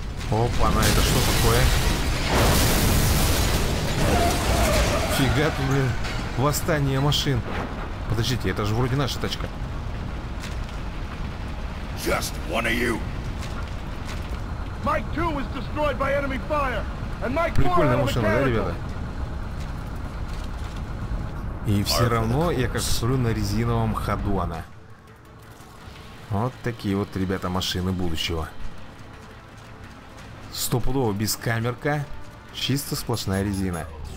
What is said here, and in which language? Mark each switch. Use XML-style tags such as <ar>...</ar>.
<ru>Опа, на это что такое? Фига ты, блин. Восстание машин. Подождите, это же вроде наша тачка.</ru> <en>Just one of you. Mike 2 was destroyed by enemy fire, and Mike 4.</en> <ru>Прикольная машина, да, ребята? И все равно я как смотрю на резиновом ходу она. Вот такие вот, ребята, машины будущего. Стопудово без камерка. Чисто сплошная резина.</ru>